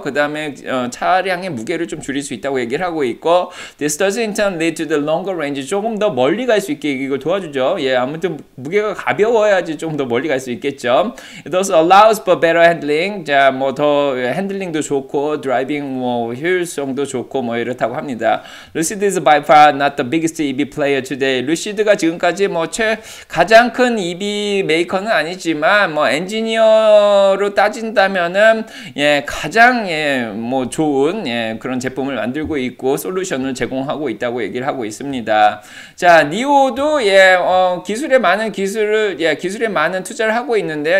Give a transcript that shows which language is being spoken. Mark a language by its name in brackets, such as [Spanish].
[Korean] 그 다음에 차량의 무게를 좀 줄일 수 있다고 얘기를 하고 있고 [English] this doesn't lead to the longer range [Korean] 조금 더 멀리 갈 수 있게 이걸 도와주죠. 예, 아무튼 무게가 가벼워야지 좀 더 멀리 갈 수 있겠죠. [English] It also allows for better handling. [Korean] 자, 뭐 더 핸들링도 좋고 드라이빙 뭐 효율성도 좋고 뭐 이렇다고 합니다. [English] Lucid is by far not the biggest EV player today. [Korean] Lucid가 지금까지 뭐 가장 큰 EV 메이커는 아니지만 뭐 엔지니어로 따진다면은 예, 가장 예, 뭐 좋은 예, 그런 제품을 만들고 있고 솔루션을 제공하고 있다고 얘기를 하고 있습니다. 자, 니오도 예, 기술에 많은 투자를 하고 있는데요.